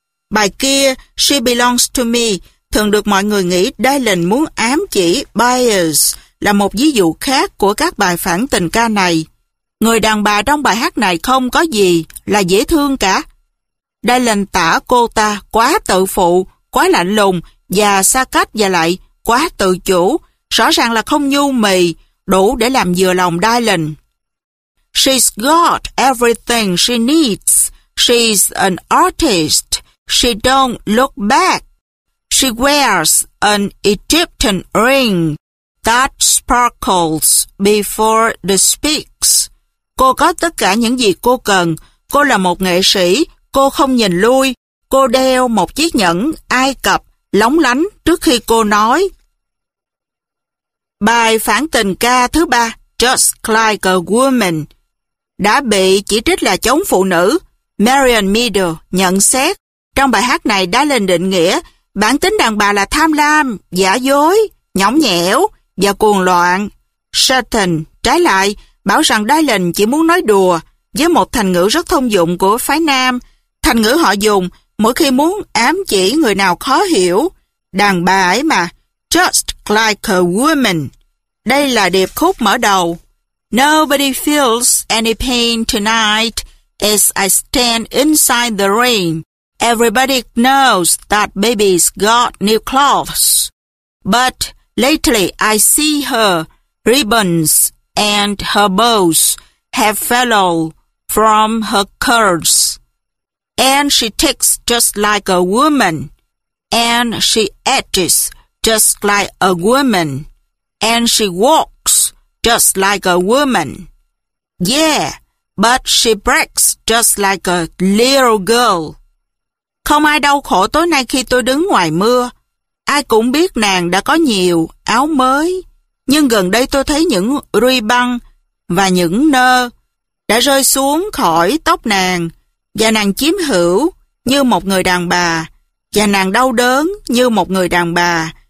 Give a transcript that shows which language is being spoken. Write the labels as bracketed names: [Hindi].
[Vietnamese] Bài kia, She Belongs to Me, thường được mọi người nghĩ Dylan muốn ám chỉ Byers, là một ví dụ khác của các bài phản tình ca này. Người đàn bà trong bài hát này không có gì là dễ thương cả. Dylan tả cô ta quá tự phụ, quá lạnh lùng và xa cách, và lại quá tự chủ, rõ ràng là không nhu mì, đủ để làm vừa lòng Dylan. [English] She's got everything she needs. She's an artist. She don't look back. She wears an Egyptian ring that sparkles before the speaks. [Vietnamese] Cô có tất cả những gì cô cần. Cô là một nghệ sĩ. Cô không nhìn lui. Cô đeo một chiếc nhẫn Ai Cập lóng lánh trước khi cô nói. Bài phản tình ca thứ ba, Just Like a Woman, đã bị chỉ trích là chống phụ nữ. Marion Meadow nhận xét: trong bài hát này, Dylan định nghĩa bản tính đàn bà là tham lam, giả dối, nhõng nhẽo và cuồng loạn. Sutton trái lại bảo rằng Dylan chỉ muốn nói đùa với một thành ngữ rất thông dụng của phái nam, thành ngữ họ dùng mỗi khi muốn ám chỉ người nào khó hiểu. Đàn bà ấy mà, [English] just like a woman. [Vietnamese] Đây là điệp khúc mở đầu. [English] Nobody feels any pain tonight as I stand inside the rain. Everybody knows that baby's got new clothes. But lately I see her ribbons and her bows have fallen from her curls. And she ticks just like a woman. And she edges just like a woman. And she walks just like a woman. Yeah, but she breaks just like a little girl. [Vietnamese] Không ai đau khổ tối nay khi tôi đứng ngoài mưa. Ai cũng biết nàng đã có nhiều áo mới. Nhưng gần đây tôi thấy những ruy băng và những nơ đã rơi xuống khỏi tóc nàng. Và nàng chiếm hữu như một người đàn bà. Và nàng đau đớn như một người đàn bà.